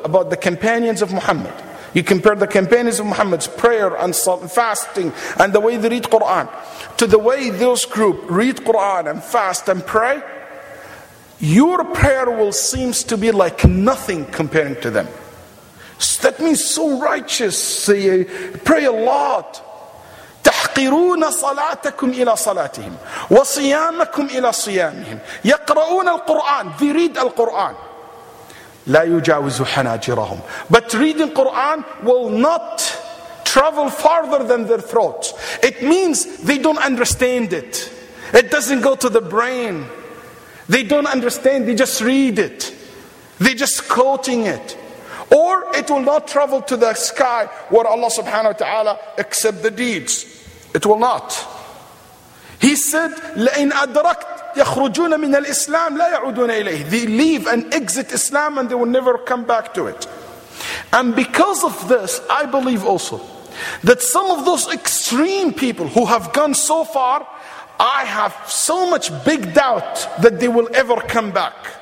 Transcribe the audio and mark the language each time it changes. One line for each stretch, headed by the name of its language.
English: About the companions of Muhammad. You compare the companions of Muhammad's prayer and fasting and the way they read Quran to the way those group read Quran and fast and pray, your prayer will seem to be like nothing comparing to them. So that means so righteous. Say, pray a lot.
Arabic: تحقرون صلاتكم إلى صلاتهم وصيامكم إلى صيامهم يقرؤون القرآن.
English: They read the Quran.
Arabic: لا يجاوز حناجرهم.
English: But reading Quran will not travel farther than their throats. It means they don't understand it. It doesn't go to the brain. They don't understand, they just read it. They're just quoting it. Or it will not travel to the sky where Allah subhanahu wa ta'ala accept the deeds. It will not. He said,
Arabic: لَإِنْ أَدْرَكْتْ يَخْرُجُونَ مِنَ الْإِسْلَامِ لَا يَعُدُونَ إِلَيْهِ.
English: They leave and exit Islam and they will never come back to it. And because of this, I believe also that some of those extreme people who have gone so far, I have so much big doubt that they will ever come back.